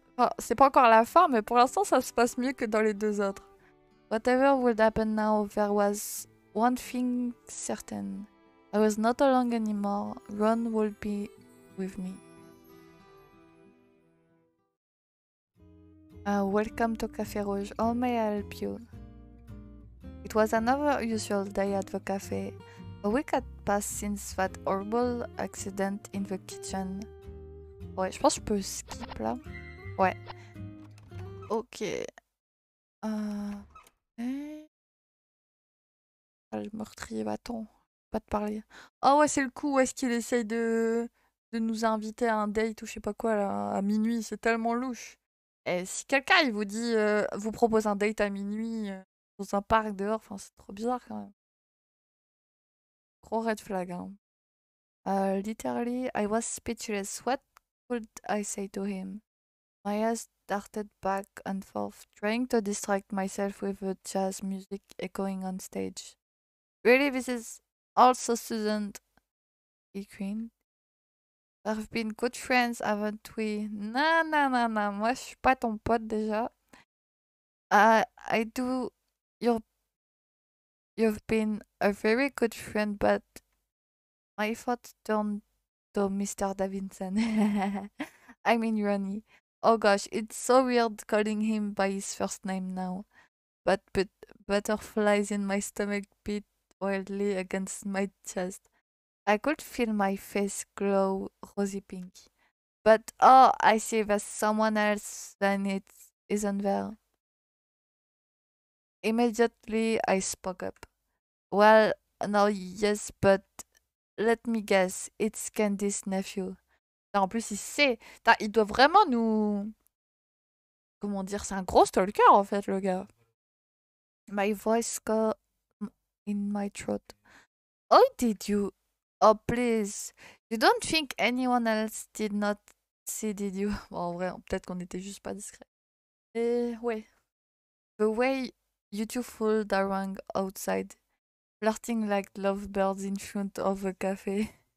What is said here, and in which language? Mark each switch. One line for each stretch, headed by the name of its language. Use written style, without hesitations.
French: Enfin, c'est pas encore la fin, mais pour l'instant, ça se passe mieux que dans les deux autres.
English: Whatever would happen now, there was one thing certain. I was not alone anymore. Ron would be with me. Welcome to Café Rouge. How may I help you? It was another usual day at the cafe. A week had passed since that horrible accident in the kitchen.
French: Ouais, je pense que je peux skip là. Ouais. Ok. Le meurtrier, bâton. Pas de parler. Oh ouais, c'est le coup où est-ce qu'il essaye de nous inviter à un date ou je sais pas quoi là, à minuit. C'est tellement louche. Et si quelqu'un il vous dit, vous propose un date à minuit dans un parc dehors, enfin c'est trop bizarre quand même. Gros red flag. Hein.
English: Literally, I was speechless. What could I say to him? My eyes darted back and forth, trying to distract myself with the jazz music echoing on stage. Really, this is also Susan, he grinned. I've been good friends, haven't we?
French: Nah, nah, nah, nah, moi je suis pas ton pote déjà.
English: I do. You've been a very good friend, but my thoughts turned to Mr. Davidson. I mean, Ronnie. Oh gosh, it's so weird calling him by his first name now. But butterflies in my stomach beat wildly against my chest. I could feel my face glow rosy pink. But oh, I see there's someone else than it isn't there. Immediately, I spoke up. Well, no, yes, but let me guess, it's Candy's nephew.
French: En plus, il sait. Il doit vraiment nous... Comment dire, c'est un gros stalker, en fait, le gars.
English: My voice got in my throat. How did you... Oh, please. You don't think anyone else did not see, did you?
French: Bon, en vrai, peut-être qu'on était juste pas discret. Et ouais.
English: The way you two fooled around outside, flirting like lovebirds in front of a cafe.